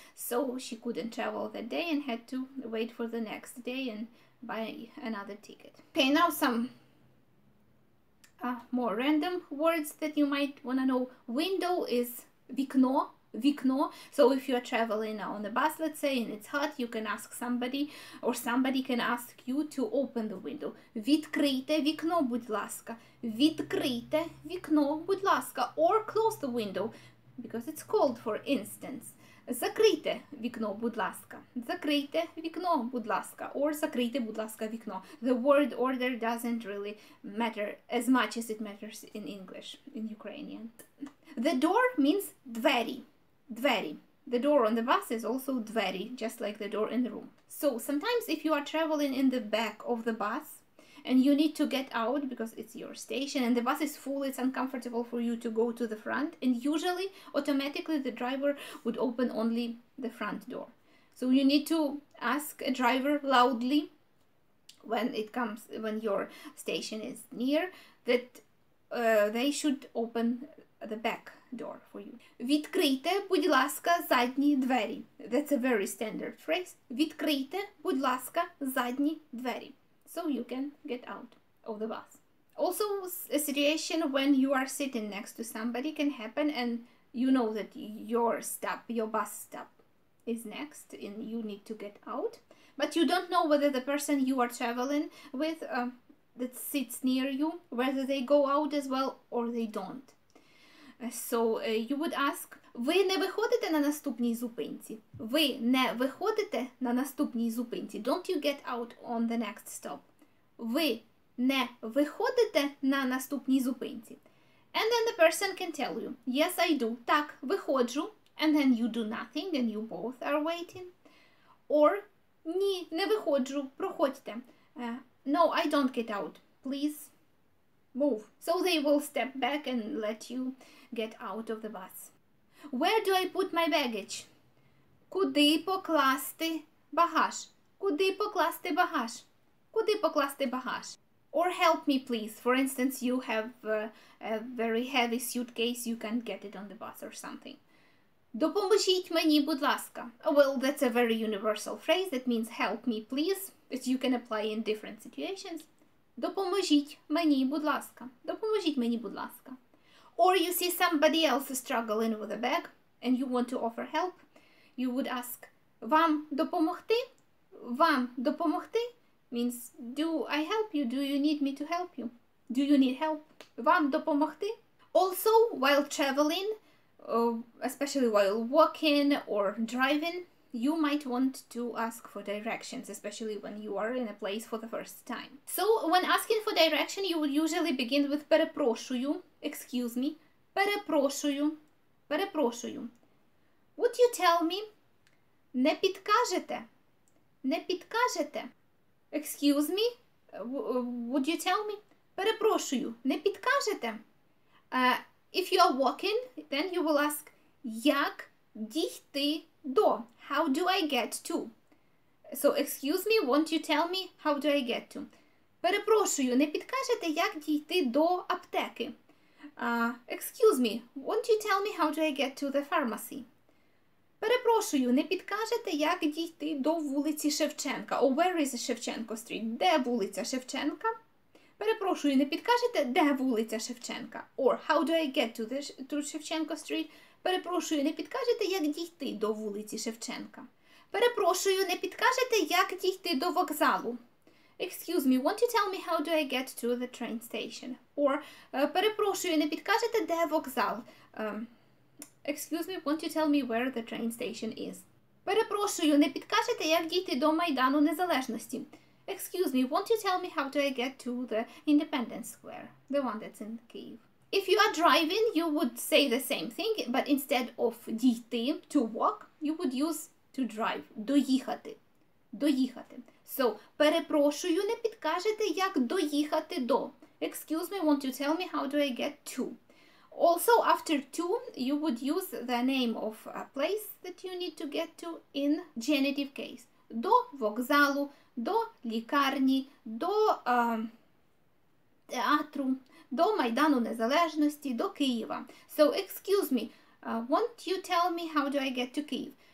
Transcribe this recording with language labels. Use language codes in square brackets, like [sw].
[en] So she couldn't travel that day and had to wait for the next day and buy another ticket. Okay, now some more random words that you might want to know. Window is vikno. Vikno. So if you are traveling on the bus, let's say, and it's hot, you can ask somebody, or somebody can ask you to open the window. [uk] Відкрийте вікно, будь ласка. Відкрийте вікно, будь ласка. [en] Or close the window, because it's cold, for instance. [uk] Закрийте вікно, будь ласка. Закрийте вікно, будь ласка. Or закрийте, будь ласка, вікно. [en] The word order doesn't really matter as much as it matters in English, in Ukrainian. The door means двері. Двері. The door on the bus is also двері, just like the door in the room. So sometimes if you are traveling in the back of the bus and you need to get out because it's your station and the bus is full, it's uncomfortable for you to go to the front, and usually automatically the driver would open only the front door. So you need to ask a driver loudly when your station is near, that they should open the back door for you. [uk] Відкрийте, будь ласка, задні двері. [en] That's a very standard phrase. [uk] Відкрийте, будь ласка, задні двері. [en] So you can get out of the bus. Also, a situation when you are sitting next to somebody can happen, and you know that your bus stop is next and you need to get out, but you don't know whether the person you are traveling with that sits near you, whether they go out as well or they don't. So you would ask, [uk] ви не виходите на наступній зупинці? Ви не виходите на наступній зупинці? [en] Don't you get out on the next stop? [uk] Ви не виходите на наступній зупинці? [en] And then the person can tell you, yes, I do. [uk] Так, виходжу. [en] And then you do nothing and you both are waiting. [uk] Or, ні, не виходжу, проходьте. [en] No, I don't get out. Please move. So they will step back and let you get out of the bus. Where do I put my baggage? [uk] Куди покласти багаж? Куди покласти багаж? Куди покласти багаж? [en] Or help me, please. For instance, you have a very heavy suitcase, you can't get it on the bus or something. [uk] Допоможіть мені, будь ласка. [en] Well, that's a very universal phrase. That means help me, please. That you can apply in different situations. [uk] Допоможіть мені, будь ласка. Допоможіть мені, будь ласка. [en] Or you see somebody else struggling with a bag and you want to offer help, you would ask, [uk] вам допомогти? Вам допомогти? [en] Means, do I help you? Do you need me to help you? Do you need help? [uk] Вам допомогти? [en] Also, while traveling, especially while walking or driving, you might want to ask for directions, especially when you are in a place for the first time. So, when asking for direction, you will usually begin with перепрошую, excuse me, [uk] перепрошую, перепрошую. [en] Would you tell me? [uk] Не підкажете? Не підкажете? [en] Excuse me? Would you tell me? [uk] Перепрошую, не підкажете? [en] If you are walking, then you will ask, [uk] як дійти до? [en] How do I get to? So, excuse me, won't you tell me how do I get to? [uk] Перепрошую, не підкажете, як дійти до аптеки? [en] Excuse me, won't you tell me how do I get to the pharmacy? [uk] Перепрошую, не підкажете, як дійти до вулиці Шевченка? [en] Or where is Шевченко Street? [uk] Де вулиця Шевченка? Перепрошую, не підкажете, де вулиця Шевченка? [en] Or how do I get to Шевченко Street? [uk] Перепрошую, не підкажете, як дійти до вулиці Шевченка? Перепрошую, не підкажете, як дійти до вокзалу? [en] Excuse me, won't you tell me how do I get to the train station? [uk] Or, перепрошую, не підкажете, де вокзал? [en] Excuse me, won't you tell me where the train station is? [uk] Перепрошую, не підкажете, як дійти до Майдану Незалежності? [en] Excuse me, won't you tell me how do I get to the Independence Square, the one that's in Kyiv? If you are driving, you would say the same thing, but instead of дійти, to walk, you would use to drive, доїхати. [uk] Доїхати. So, перепрошую, не підкажете, як доїхати до. [en] Excuse me, won't you tell me how do I get to? Also, after to, you would use the name of a place that you need to get to in genitive case. [uk] До вокзалу, до лікарні, до театру. До Майдану Незалежності, до Києва. [en] So, excuse me, won't you tell me how do I get to Kyiv?